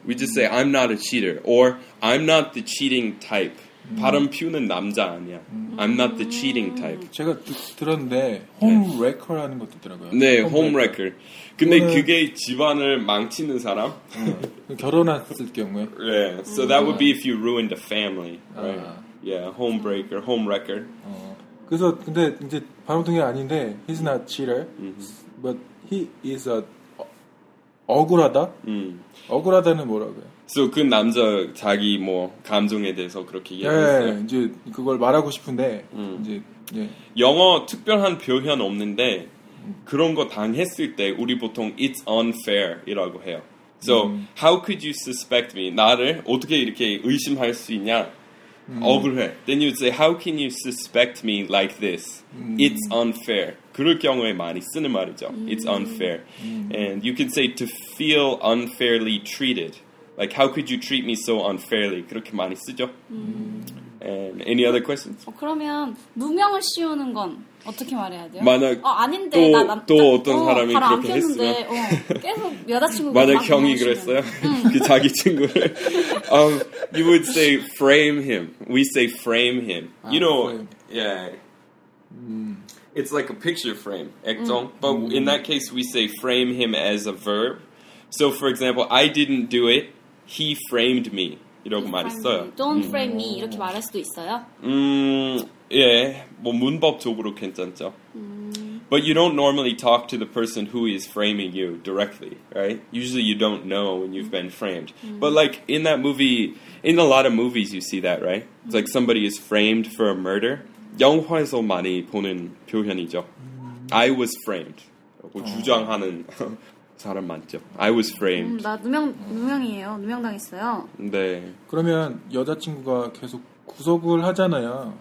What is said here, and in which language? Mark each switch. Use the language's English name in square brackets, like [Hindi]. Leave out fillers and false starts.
[English] We just say I'm not a cheater or I'm not the cheating type. [Korean] 바람 피우는 남자 아니야. [English] I'm not the cheating type. [Korean] 제가 들었는데 홈레커라는 것도 있더라고요. 네, 홈레커. 근데 그게 집안을 망치는 사람? 결혼했을 경우에. [English] Yeah. So that would be if you ruined a family, right? Yeah, homebreaker, homewrecker. [Korean] 그래서 근데 이제 바람둥이 아닌데 [English] he's not cheater, but he is a [Korean] 억울하다. 억울하다는 뭐라고요? So 그 남자 자기 뭐 감정에 대해서 그렇게 얘기했어요. 네, 이제 그걸 말하고 싶은데 이제 영어 특별한 표현 없는데 그런 거 당했을 때 우리 보통 [English] it's unfair [Korean] 이라고 해요. [English] So how could you suspect me? [Korean] 나를 어떻게 이렇게 의심할 수 있냐? 억울해. [English] Then you'd say, how can you suspect me like this? It's unfair. [Korean] 그럴 경우에 많이 쓰는 말이죠. [English] It's unfair. And you can say, to feel unfairly treated. Like, how could you treat me so unfairly? [Korean] 그렇게 많이 쓰죠. [English] And any other questions? [Korean] 그러면 누명을 씌우는 건 어떻게 말해야 돼요? 만약 아닌데, 또 어떤 사람이 그렇게 했으면 계속 여자친구가 만약 형이 오시면. 그랬어요? 그 자기 친구를 [English] you would say frame him. We say frame him. You know, frame. yeah. It's like a picture frame, 액정. Mm. But in that case, we say frame him as a verb. So, for example, I didn't do it. He framed me. [Korean] 이렇게 말했어요. [English] Don't frame me. [Korean] 이렇게 말할 수도 있어요? 예. 뭐 문법적으로 괜찮죠. [English] But you don't normally talk to the person who is framing you directly, right? Usually you don't know when you've been framed. But like in that movie, in a lot of movies you see that, right? It's like somebody is framed for a murder. [Korean] 영화에서 많이 보는 표현이죠. [English] I was framed. [Korean] 주장하는 사람 많죠. [English] I was framed. [Korean] 나 누명이에요. 누명당했어요. 네. 그러면 여자친구가 계속 구속을 하잖아요.